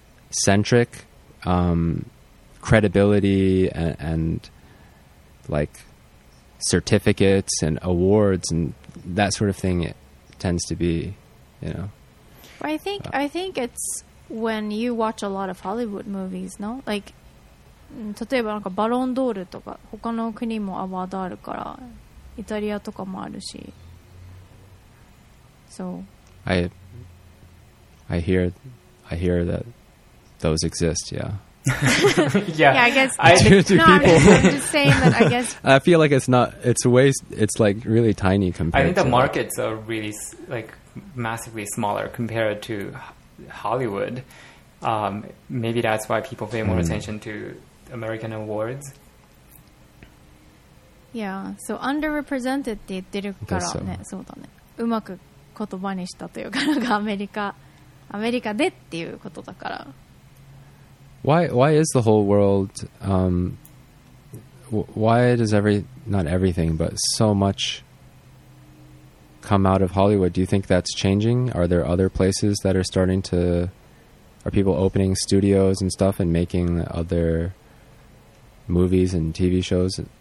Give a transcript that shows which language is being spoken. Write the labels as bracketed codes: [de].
[en] centric credibility and like certificates and awards and that sort of thing it tends to be, you know. I think it's when you watch a lot of Hollywood movies, no? Like, [ja] 例えばなんかバロンドールとか他の国もアワードあるからイタリアとかもあるし、 [en] so I hear that those exist, yeah. yeah, I guess I do. Do people? I'm just saying that. I guess I feel like it's not. It's way. It's like really tiny compared. I think the markets are really like massively smaller compared to Hollywood. Maybe that's why people pay more attention to American awards. Yeah. So underrepresented [ja] って言ってるからね。そうだね。うまく言葉にしたというかなんかアメリカでっていうことだから。 [en] Why is the whole world why does not everything but so much come out of Hollywood? Do you think that's changing? Are there other places that are starting to, are people opening studios and stuff and making other movies and TV shows?